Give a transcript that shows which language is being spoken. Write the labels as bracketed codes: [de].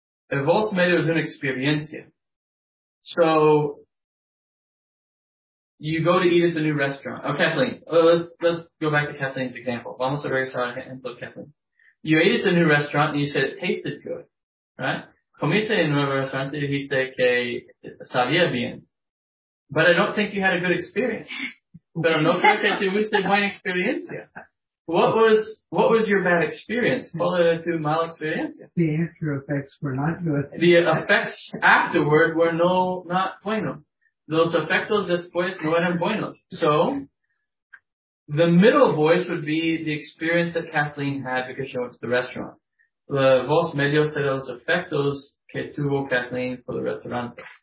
[es] El voz medio es una experiencia. [en] So, you go to eat at the new restaurant. Oh, Kathleen. Let's go back to Kathleen's example. [es] Vamos a regresar a ejemplo, [en] Kathleen. You ate at the new restaurant and you said it tasted good. Right? [es] Comiste en nuevo restaurante y dijiste que sabía bien. [en] But I don't think you had a good experience. [es] Pero no creo que tuviste buena experiencia. [en] What was your bad experience? Well, it to mal experiencia. The after effects were not good. The effects afterward were not buenos. [es] Los efectos después no eran buenos. [en] So, the middle voice would be the experience that Kathleen had because she went to the restaurant. [es] La voz medio será los efectos que tuvo Kathleen por el restaurante.